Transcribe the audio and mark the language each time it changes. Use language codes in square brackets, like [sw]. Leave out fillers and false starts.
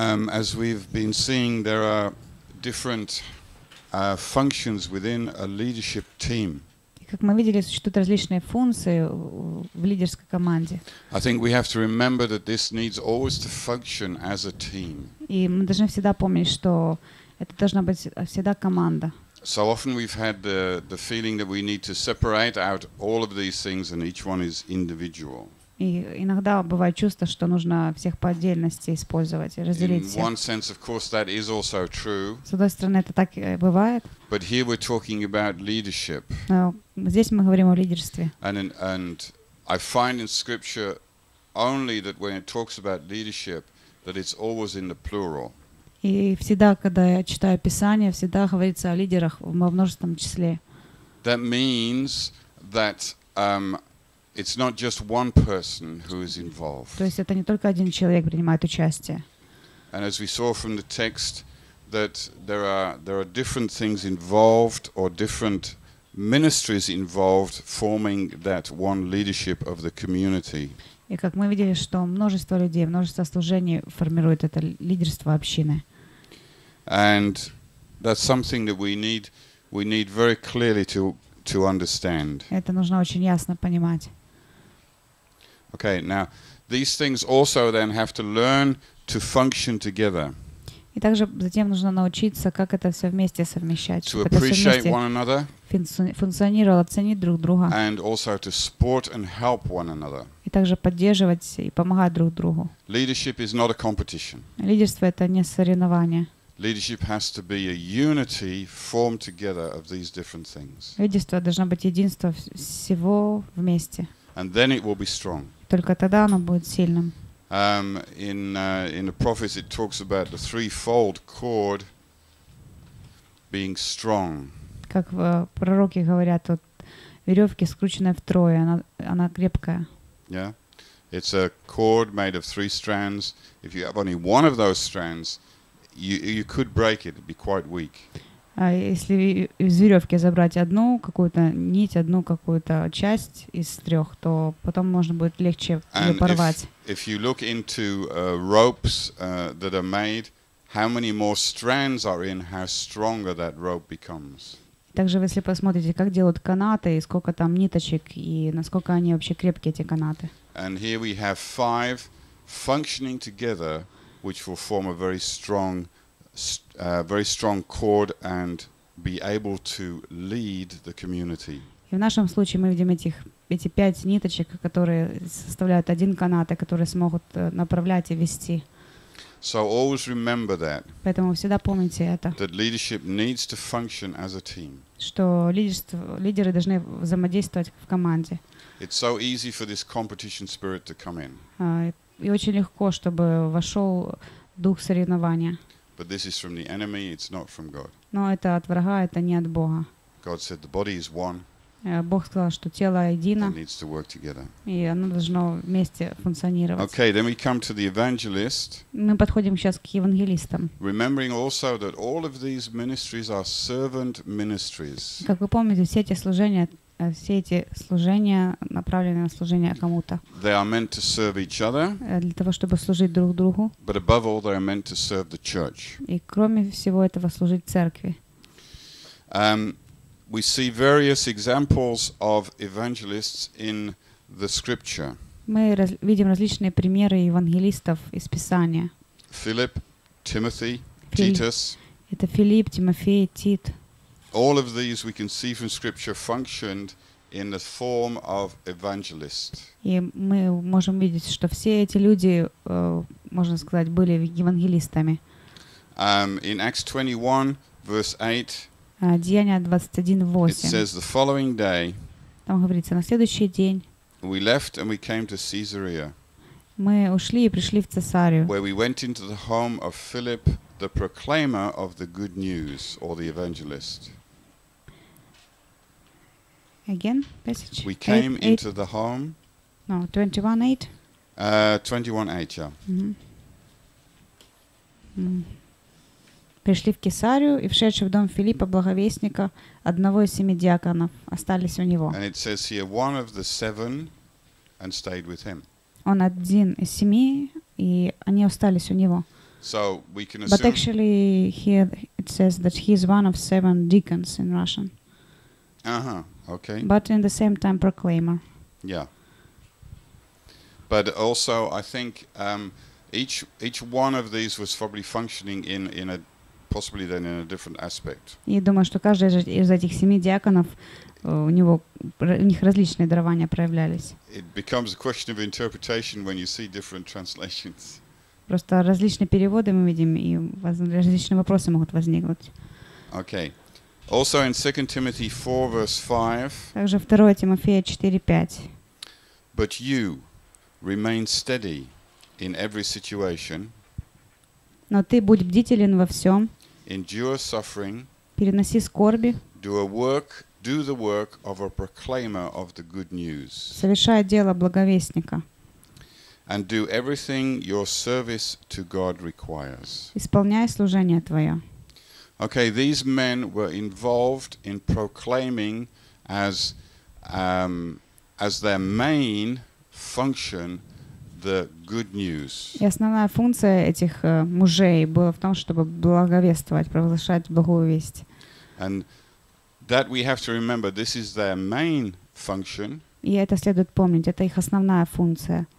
[en] As we've been seeing, there are different functions within a leadership team. [ru] Как мы видели, существуют различные функции в лидерской команде. [en] I think we have to remember that this needs always to function as a team. [ru] И мы должны всегда помнить, что это должна быть всегда команда. [en] So often we've had the feeling that we need to separate out all of these things and each one is individual. [ru] И иногда бывает чувство, что нужно всех по отдельности использовать и разделить всех. [en] In one sense, of course, that is also true. [ru] С одной стороны, это так и бывает. [en] But here we're talking about leadership. [ru] Но здесь мы говорим о лидерстве. [en] And I find in Scripture only that when it talks about leadership, that it's always in the plural. [ru] И всегда, когда я читаю Писание, всегда говорится о лидерах во множественном числе. [en] That means that it's not just one person who is involved. [ru] То есть это не только один человек принимает участие. [en] And as we saw from the text, that there are different things involved or different ministries involved forming that one leadership of the community. [ru] И как мы видели, что множество людей, множество служений формирует это лидерство общины. [en] And that's something that we need very clearly to understand. [ru] Это нужно очень ясно понимать. [en] Okay, now these things also then have to learn to function together. [ru] И также затем нужно научиться, как это все вместе совмещать. [en] To appreciate one another. [ru] Функционировать, оценить друг друга. [en] And also to support and help one another. [ru] И также поддерживать и помогать друг другу. [en] Leadership is not a competition. [ru] Лидерство это не соревнование. [en] Leadership has to be a unity formed together of these different things. [ru] Лидерство должно быть единство всего вместе. [en] And then it will be strong. [ru] Только тогда оно будет сильным. [en] In the prophets it talks about the threefold cord being strong. [ru] Как в пророке говорят, вот верёвки скрученные втрое, она крепкая. [en] Yeah. It's a cord made of three strands. If you have only one of those strands, you could break it, it'd be quite weak. [ru] А если из верёвки забрать одну какую-то нить, одну какую-то часть из трёх, то потом можно будет легче её порвать. [en] If you look into ropes that are made, how many more strands are in, how stronger that rope becomes. [ru] Также, если посмотрите, как делают канаты, и сколько там ниточек, и насколько они вообще крепкие, эти канаты. [en] And here we have five functioning together, which will form a very strong very strong cord and be able to lead the community. [ru] И в нашем случае мы видим эти пять ниточек, которые составляют один канат, которые смогут направлять и вести. [en] So always remember that. [ru] Поэтому всегда помните это. [en] That leadership needs to function as a team. [ru] Что лидеры должны взаимодействовать в команде. [en] It's so easy for this competition spirit to come in. [ru] И очень легко, чтобы вошел дух соревнования. [en] But this is from the enemy, it's not from God. [ru] Но это от врага, это не от Бога. [en] God said the body is one. [ru] Бог сказал, что тело едино. [en] It needs to work together. [ru] И оно должно вместе функционировать. [en] Okay, then we come to the evangelist. [ru] Мы подходим сейчас к евангелистам. [en] Remembering also that all of these ministries are servant ministries. [ru] Как вы помните, все эти служения направлены на служение кому-то. [en] They are meant to serve each other. [ru] Для того, чтобы служить друг другу. [en] But above all, they are meant to serve the church. [ru] И кроме всего этого, служить церкви. [en] We see various examples of evangelists in the Scripture. [ru] Мы видим различные примеры евангелистов из Писания. [en] Philip, Timothy, Titus. [ru] Это Филипп, Тимофей, Тит. [en] All of these we can see from Scripture functioned in the form of evangelist. [ru] И мы можем видеть, что все эти люди, можно сказать, были евангелистами. [en] In Acts 21, verse 8, [ru] Деяния 21:8. [en] It says the following day. [ru] Там говорится на следующий день. [en] We left and we came to Caesarea. [ru] Мы ушли и пришли в Цесарию. [en] Where we went into the home of Philip, the proclaimer of the good news or the evangelist. Again, passage. We came into the home. No, 21:8. 21:8, yeah. [ru] Пришли в Кесарию и, вшедши в дом Филиппа, благовестника, одного из семи диаконов, остались у него. [en] And it says here, one of the seven and stayed with him. [ru] Он один из семи, и они остались у него. [en] So we can assume. But actually, here it says that he is one of seven deacons in Russian. Uh-huh. Okay. But in the same time, proclaimer. Yeah. But also, I think each one of these was probably functioning in a possibly then in a different aspect. [ru] И думаю, что каждый из этих семи диаконов у него у них различные дарования проявлялись. [en] It becomes a question of interpretation when you see different translations. [ru] Просто различные переводы мы видим, и различные вопросы могут возникнуть. [en] Okay. Also in 2 Timothy 4, verse 5. [ru] Также 2 Тимофея 4:5. [en] But you remain steady in every situation. [ru] Но ты будь бдителен во всем. [en] Endure suffering. [ru] Переноси скорби. [en] Do the work of a proclaimer of the good news. [ru] Совершай дело благовестника. [en] And do everything your service to God requires. [ru] Исполняй служение твое. [en] Okay, these men were involved in proclaiming as their main function the good news. [ru] И основная функция этих мужей была в том, чтобы благовествовать, провозглашать благую весть. [en] And that we have to remember, this is their main function. [ru] И это следует помнить, это их основная функция.